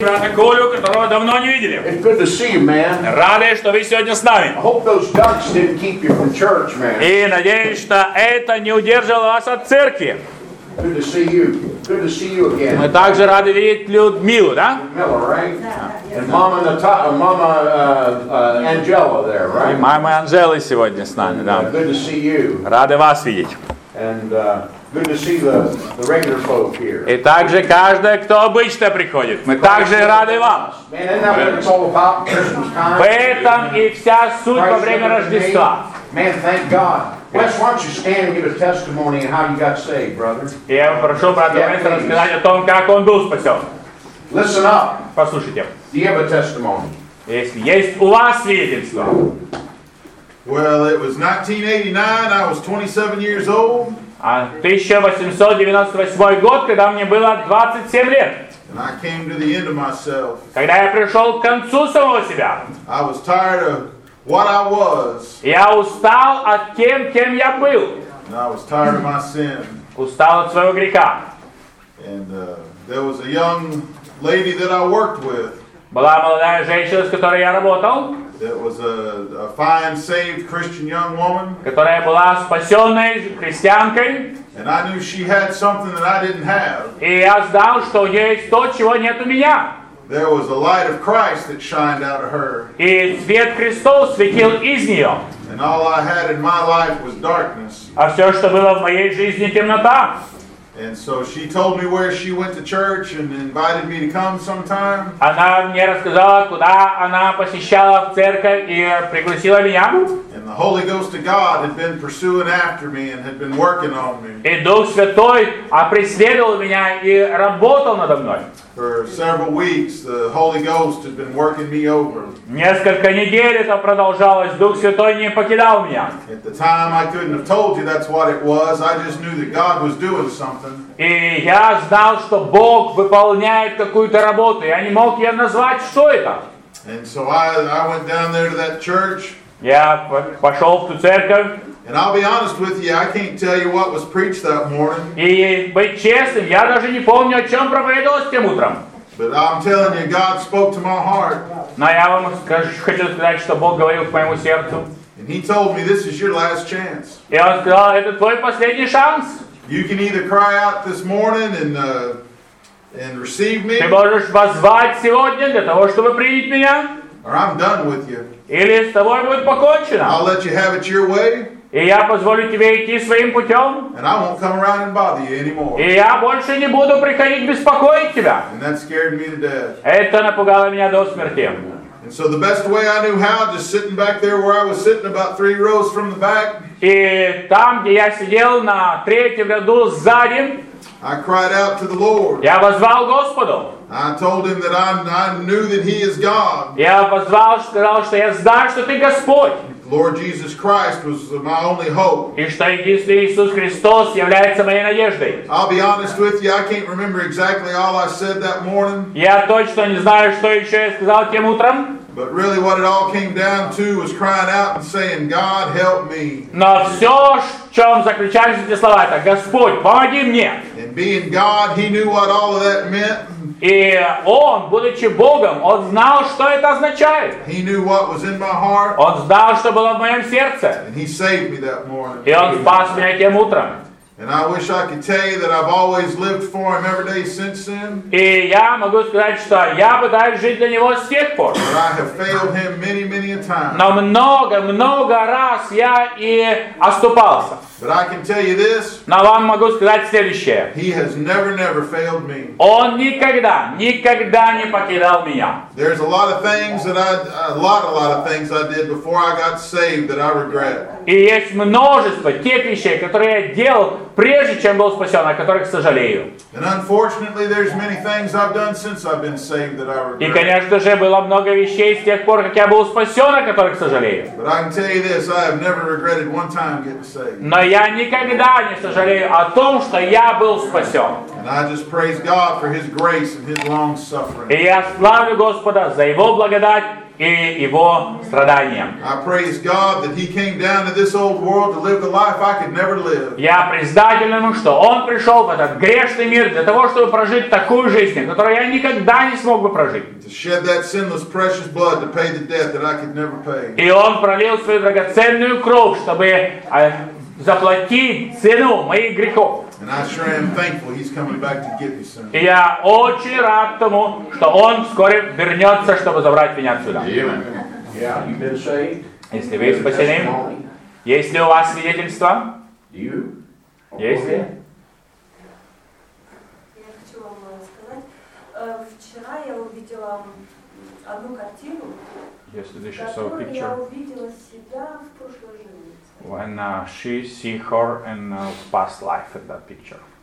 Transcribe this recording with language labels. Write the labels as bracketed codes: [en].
[ru] Брата Колю, которого давно не видели. [en] It's good to see you, man. [ru] Рады, что вы сегодня с нами. [en] I hope those ducks didn't keep you from church, man. [ru] И надеюсь, что это не удержало вас от церкви. [en] Good to see you. Good to see you again. [ru] Мы также рады видеть Людмилу, да? [en] Людмила, right? And Mama Natasha, Mama Angela there, right? [ru] И мама Анжела сегодня с нами, да. [en] Good to see you. [ru] Рады вас видеть. [en] And good to see the regular folk here. [ru] И также каждый, кто обычно приходит. Мы также рады вам. В этом и вся суть во время Рождества. [en] Man, thank God. Wes, why don't you stand and give a testimony of how you got saved, brother? [ru] Я прошу брата Веса рассказать о том, как он был спасен. [en] Listen up. [ru] Послушайте. [en] Do you have a testimony? [ru] Если есть у вас свидетельство. [en] Well, it was 1989. I was 27 years old. [ru] А 1898 год, когда мне было 27 лет. [en] And I came to the end of myself. [ru] Когда я пришел к концу самого себя. [en] I was tired of what I was. [ru] Я устал от тем, кем я был. [en] And I was tired of my sin. [ru] Устал от своего греха. [en] And there was a young lady that I worked with. [ru] Была молодая женщина, с которой я работал. [en] That was a fine, saved Christian young woman. [ru] Которая была спасенной христианкой. [en] And I knew she had something that I didn't have. [ru] И я знал, что у нее есть то, чего нет у меня. [en] There was a light of Christ that shined out of her. [ru] И свет Христов светил из нее. [en] And all I had in my life was darkness. [ru] А все, что было в моей жизни, темнота. [en] And so she told me where she went to church and invited me to come sometime. [ru] Она мне рассказала, куда она посещала в церковь и пригласила меня. [en] And the Holy Ghost of God had been pursuing after me and had been working on me. [ru] И Дух Святой преследовал меня и работал надо мной. [en] For several weeks, the Holy Ghost had been working me over. [ru] Несколько недель это продолжалось, Дух Святой не покидал меня. [en] At the time, I couldn't have told you that's what it was. I just knew that God was doing something. [ru] И я знал, что Бог выполняет какую-то работу. Я не мог ее назвать, что это. [en] And so I went down there to that church. [ru] Я пошел в ту церковь. [en] And I'll be honest with you, I can't tell you what was preached that morning. [ru] И быть честным, я даже не помню, о чем проповедовалось тем утром. [en] But I'm telling you, God spoke to my heart. [ru] Но я вам хочу сказать, что Бог говорил к моему сердцу. [en] And He told me, this is your last chance. [ru] И Он сказал, это твой последний шанс. [en] You can either cry out this morning and receive me. [ru] Ты можешь воззвать сегодня для того, чтобы принять меня. [en] Or I'm done with you. [ru] Или с тобой будет покончено. [en] I'll let you have it your way. [ru] И я позволю тебе идти своим путем. [en] And I won't come around and bother you anymore. [ru] И я больше не буду приходить беспокоить тебя. [en] And that scared me to death. [ru] Это напугало меня до смерти. [en] And so the best way I knew how, just sitting back there where I was sitting, about three rows from the back. [ru] И там, где я сидел на третьем ряду сзади. [en] I cried out to the Lord. [ru] Я воззвал Господу. [en] I told him that I knew that he is God. [ru] Я воззвал, сказал, что я знаю, что ты Господь. [en] Lord Jesus Christ was my only hope. [ru] И что единственный Иисус Христос является моей надеждой. [en] I'll be honest with you, I can't remember exactly all I said that morning. [ru] Я точно не знаю, что еще я сказал тем утром. [en] But really what it all came down to was crying out and saying, God help me. [ru] Но все, в чем заключались эти слова, это Господь, помоги мне. [en] And being God, he knew what all of that meant. [ru] И он, будучи Богом, он знал, что это означает. [en] He knew what was in my heart. [ru] Он знал, что было в моем сердце. [en] And he saved me that morning. [ru] И он спас меня тем утром. [en] And I wish I could tell you that I've always lived for him every day since then. [ru] И я могу сказать, что я пытаюсь жить для него с тех пор. [en] But I have failed him many, many a time. [ru] Но много раз я и оступался. [en] But I can tell you this. [ru] Но вам могу сказать следующее. [en] He has never failed me. [ru] Он никогда не покидал меня. [en] There's a lot of things I did before I got saved that I regret. [ru] И есть множество тех вещей, которые я делал, прежде чем был спасен, о которых сожалею. [en] And unfortunately, there's many things I've done since I've been saved that I regret. [ru] И, конечно же, было много вещей с тех пор, как я был спасен, о которых сожалею. [en] But I can tell you this, I have never regretted one time getting saved. [ru] Но я никогда не сожалею о том, что я был спасен. [en] And I just praise God for His grace and His long suffering. [ru] И я славлю Господа за Его благодать и его страданиям. [en] I praise God that he came down to this old world to live the life I could never live. [ru] Я признателен ему, что он пришел в этот грешный мир для того, чтобы прожить такую жизнь, которую я никогда не смог бы прожить. [en] To shed that sinless, precious blood to pay the debt that I could never pay. [ru] И он пролил свою драгоценную кровь, чтобы заплатить цену моих грехов. [en] And I sure am thankful he's coming back to get me soon. [ru] И я очень рад тому, что он вскоре вернется, чтобы забрать меня отсюда. Если вы спасены, есть ли у вас свидетельство? Есть ли? Я хочу вам сказать, вчера я увидела одну картину, которую я увидела себя в прошлой жизни. [en] When she see her in past life in that picture.